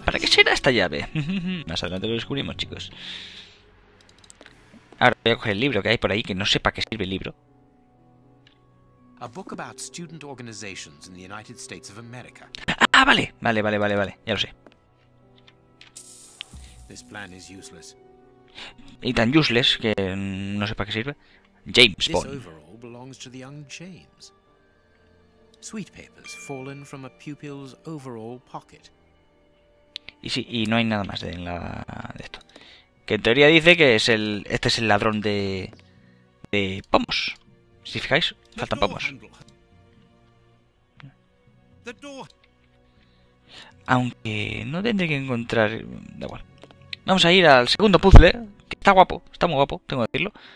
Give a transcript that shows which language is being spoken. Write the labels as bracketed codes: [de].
[es] ¿Para qué será esta llave? Más adelante lo descubrimos, chicos. Ahora voy a coger el libro que hay por ahí, que no sé para qué sirve el libro. [en] A book about student organizations in the United States of America. [es] ¡Ah, vale! Vale. Ya lo sé. [en] This plan is useless. [es] Y tan useless que no sé para qué sirve. James Bond. [en] This overall belongs to the young James. sweet papers fallen from a pupil's overall pocket. [es] Y sí, y no hay nada más de esto. Que en teoría dice que es el, este es el ladrón de pomos. Si fijáis, faltan pomos. Aunque no tendré que encontrar... Da igual. Vamos a ir al segundo puzzle, que está guapo, está muy guapo, tengo que decirlo.